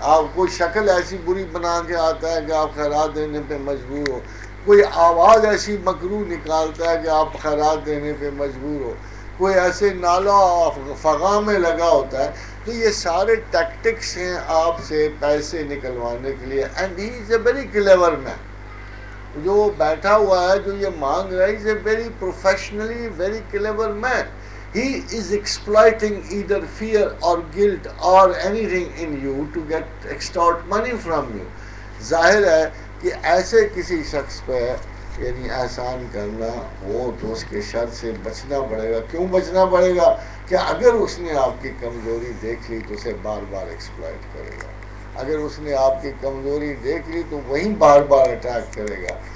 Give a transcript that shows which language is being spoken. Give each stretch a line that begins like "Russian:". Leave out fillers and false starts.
Urdu: آپ کوئی شکل ایسی بری بنا کے آتا ہے کہ آپ خیرات دینے پہ مجبور ہو, کوئی آواز ایسی مکروہ نکالتا ہے کہ آپ خیرات دینے پہ مجبور ہو, کوئی ایسے نالہ فغاں میں لگا ہوتا ہے. تو یہ سارے ٹیکٹکس ہیں آپ سے پیسے نکلوانے کے لیے.
English: and he is a very clever man,
Urdu: جو بیٹھا ہوا ہے جو یہ مانگ رہا ہے,
English: Is a very professionally very clever man. He is exploiting either fear or guilt or anything in you to get extort money from you.
Urdu: ظاہر ہے کہ ایسے کسی شخص پہ یعنی احسان کرنا ہو تو اس کے شر سے بچنا پڑے گا. کیوں بچنا پڑے گا؟ کہ اگر اس نے آپ کی کمزوری دیکھ لی تو اسے بار بار ایکسپلائٹ کرے گا. اگر اس نے آپ کی کمزوری دیکھ لی تو وہیں بار بار اٹیک کرے گا.